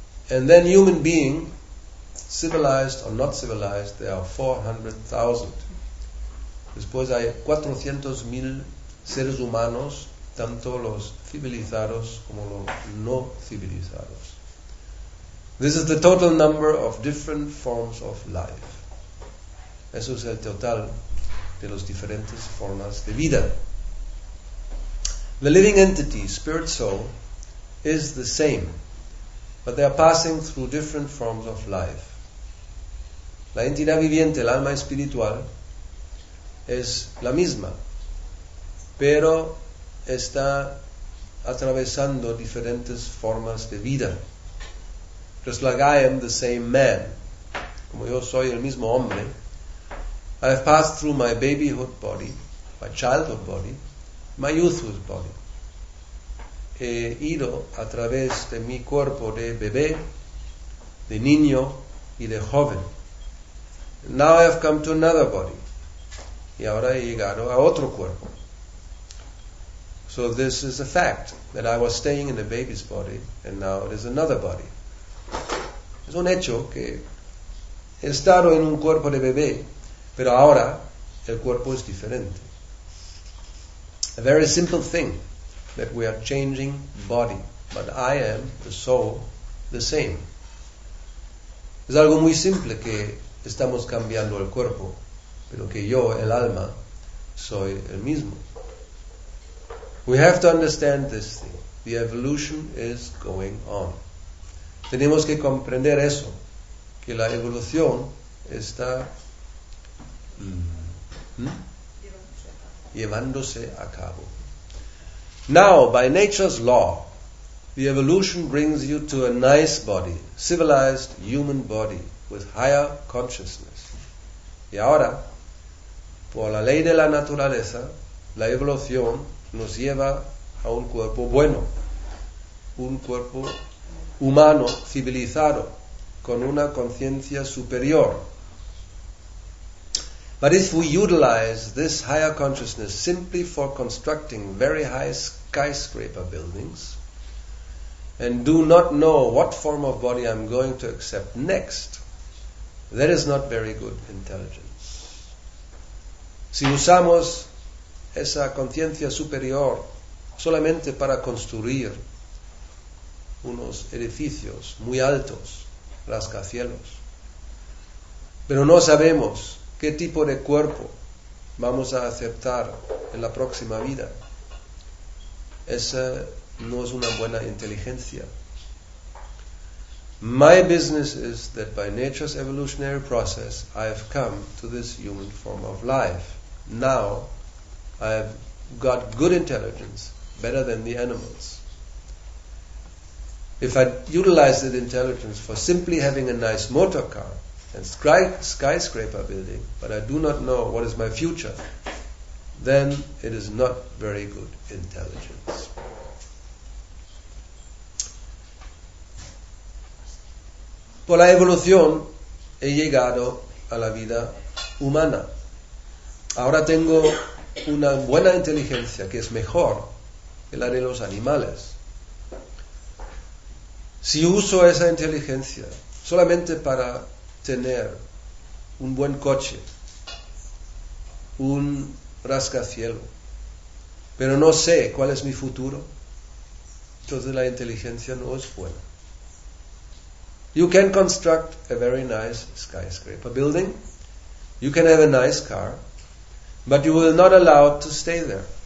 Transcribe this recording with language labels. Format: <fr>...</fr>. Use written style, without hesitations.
<en>And then human being, civilized or not civilized, there are 400,000.</en> <es>Después hay 400,000 seres humanos, tanto los civilizados como los no civilizados.</es> <en>This is the total number of different forms of life.</en> <es>Eso es el total de las diferentes formas de vida.</es> <en>The living entity, spirit soul, is the same, but they are passing through different forms of life.</en> <es>La entidad viviente, el alma espiritual, es la misma, pero está atravesando diferentes formas de vida.</es> <en>Just like I am the same man,</en> <es>como yo soy el mismo hombre,</es> <en>I have passed through my babyhood body, my childhood body, my youthhood body.</en> <es>He ido a través de mi cuerpo de bebé, de niño y de joven.</es> <en>Now I have come to another body.</en> <es>Y ahora he llegado a otro cuerpo.</es> <en>So this is a fact, that I was staying in a baby's body, and now it is another body.</en> <es>Es un hecho que he estado en un cuerpo de bebé, pero ahora el cuerpo es diferente.</es> <en>A very simple thing, that we are changing body, but I am, the soul, the same.</en> <es>Es algo muy simple que estamos cambiando el cuerpo, pero que yo, el alma, soy el mismo.</es> <en>We have to understand this thing. The evolution is going on.</en> <es>Tenemos que comprender eso, que la evolución está llevándose a cabo.</es> <en>Now, by nature's law, the evolution brings you to a nice body, civilized human body, with higher consciousness.</en> <es>Y ahora, por la ley de la naturaleza, la evolución nos lleva a un cuerpo bueno, un cuerpo humano, civilizado, con una conciencia superior.</es> <en>But if we utilize this higher consciousness simply for constructing very high skyscraper buildings and do not know what form of body I'm going to accept next, that is not very good intelligence.</en> <es>Si usamos esa conciencia superior solamente para construir unos edificios muy altos, rascacielos, pero no sabemos qué tipo de cuerpo vamos a aceptar en la próxima vida, esa no es una buena inteligencia.</es> <en>My business is that by nature's evolutionary process I have come to this human form of life. Now I have got good intelligence, better than the animals. If I utilize that intelligence for simply having a nice motor car and skyscraper building, but I do not know what is my future, then it is not very good intelligence.</en> <es>Por la evolución he llegado a la vida humana. Ahora tengo una buena inteligencia que es mejor que la de los animales. Si uso esa inteligencia solamente para tener un buen coche, un rascacielos, pero no sé cuál es mi futuro, entonces la inteligencia no es buena.</es> <en>You can construct a very nice skyscraper building, you can have a nice car, but you will not allow to stay there.</en>